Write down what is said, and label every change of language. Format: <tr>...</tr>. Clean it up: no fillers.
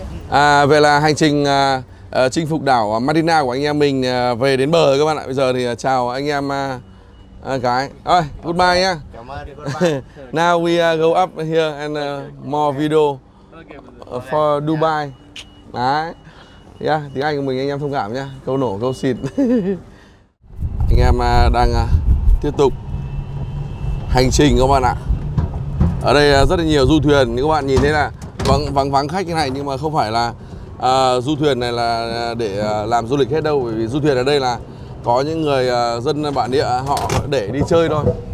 <vi>À, về là hành trình chinh phục đảo Marina của anh em mình về đến bờ rồi các bạn ạ. Bây giờ thì chào anh em gái. Ôi, goodbye nhá.</vi> <en>Now we go up here and more video for Dubai.</en> <vi>Đấy. Yeah, tiếng Anh của mình anh em thông cảm nhá. Câu nổ, câu xịt. Anh em đang tiếp tục hành trình các bạn ạ. Ở đây rất là nhiều du thuyền, như các bạn nhìn thấy là vắng khách như này, nhưng mà không phải là du thuyền này là để làm du lịch hết đâu, bởi vì du thuyền ở đây là có những người dân bản địa họ để đi chơi thôi.</vi>